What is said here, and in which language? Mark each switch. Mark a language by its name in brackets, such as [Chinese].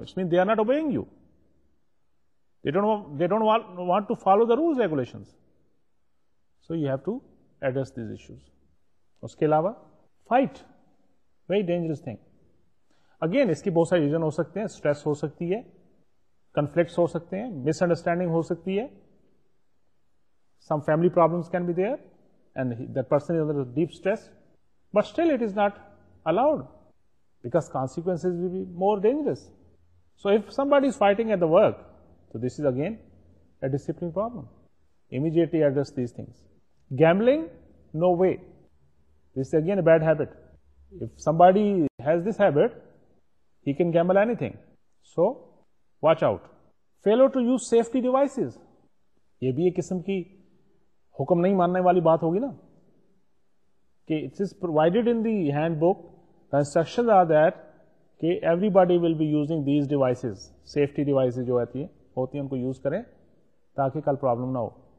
[English] It's means they are not obeying you, they don't want to follow the rules regulations, so you have to address these issues. [Urdu] اس کے علاوہ [English] fight, very dangerous thing, again [Urdu] اس کی بہت سارے reason ہو سکتے ہیں, stress ہو سکتی ہے, [English] Conflicts ہو سکتے ہیں, مس انڈرسٹینڈنگ ہو سکتی ہے, some family problems can be there, and that person is under deep stress, but still it is not allowed because consequences will be more dangerous. So if somebody is fighting at the work, تو this is again a discipline problem, immediately address these things. Gambling, no way, this is again a bad habit. If somebody has this habit, he can gamble anything, so watch out. Failure to use safety devices, [Urdu] یہ بھی ایک قسم کی حکم نہیں ماننے والی بات ہوگی نا, کہ [English] it is provided in the handbook, [Urdu] the instructions are that کہ [English] everybody will be using these devices, safety devices [Urdu] جو آتی ہیں ہوتی ہیں ان کو یوز کریں تاکہ کل پرابلم نہ ہو.